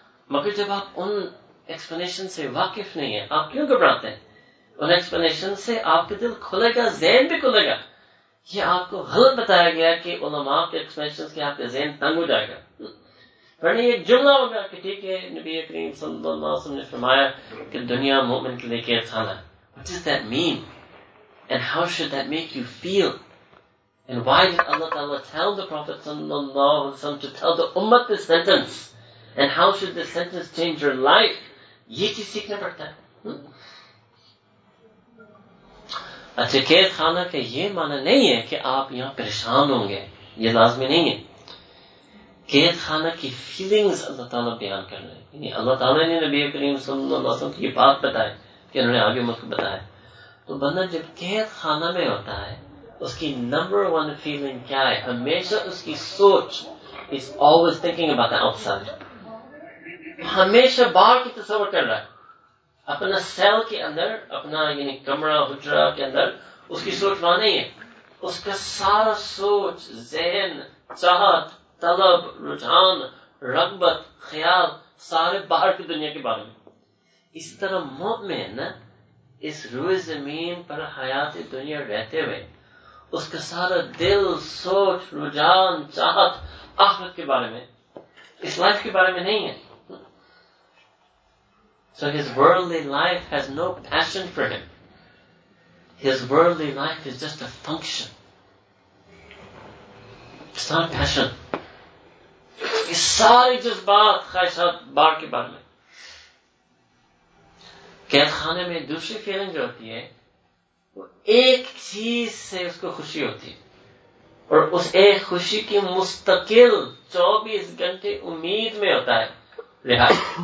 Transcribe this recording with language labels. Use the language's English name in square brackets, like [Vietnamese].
[Urdu] مگر جب آپ ان ایکسپلینیشن سے واقف نہیں ہیں, آپ کیوں گھبراتے ہیں؟ ان ایکسپلینیشن سے آپ کا دل کھلے گا, ذہن بھی کھلے گا. یہ آپ کو غلط بتایا گیا کہ علماء کے ایکسپلینیشن سے آپ کا ذہن تنگ ہو جائے گا. پڑھنے یہ جملہ ہوگا کہ ٹھیک ہے, نبی کریم صلی اللہ علیہ وسلم نے فرمایا کہ دنیا مومن کے لیے کیا خانہ. [English] What does that mean? And how should that make you feel? And why did Allah Ta'ala tell the Prophet صلی اللہ علیہ وسلم to tell the ummah this sentence? And how should this sentence change your life? [Urdu] یہ چیز سیکھنا پڑتا ہے. اچھا, قید خانہ کا یہ معنی نہیں ہے کہ آپ یہاں پریشان ہوں گے, یہ لازمی نہیں ہے. قید خانہ کی فیلنگز اللہ تعالیٰ بیان کر رہے ہیں, یعنی اللہ تعالیٰ نے نبی کریم صلی اللہ علیہ وسلم کی یہ بات بتائی کہ انہوں نے آگے امت کو بتایا. تو بندہ جب قید خانہ میں ہوتا ہے, اس کی نمبر ون فیلنگ کیا ہے؟ ہمیشہ اس کی سوچ [English] is always thinking about the outside. [Urdu] ہمیشہ باہر کی تصور کر رہا ہے, اپنا سیل کے اندر, اپنا یعنی کمرہ حجرہ کے اندر اس کی سوچ وہاں نہیں ہے. اس کا سارا سوچ, ذہن, چاہت, طلب, رجحان, رغبت, خیال سارے باہر کی دنیا کے بارے میں. اس طرح مومن اس روئے زمین پر حیات دنیا رہتے ہوئے اس کا سارا دل, سوچ, رجحان, چاہت آخرت کے بارے میں, اس لائف کے بارے میں نہیں ہے. [English] So his worldly life has no passion for him. His worldly life is just a function. It's not a passion. [Urdu] یہ ساری جذبات خواہشات باہر کے بارے میں. قید خانے میں دوسری فیلنگ جو ہوتی ہے وہ ایک چیز سے اس کو خوشی ہوتی ہے اور اس ایک خوشی کی مستقل 24 گھنٹے امید میں ہوتا ہے رہائی.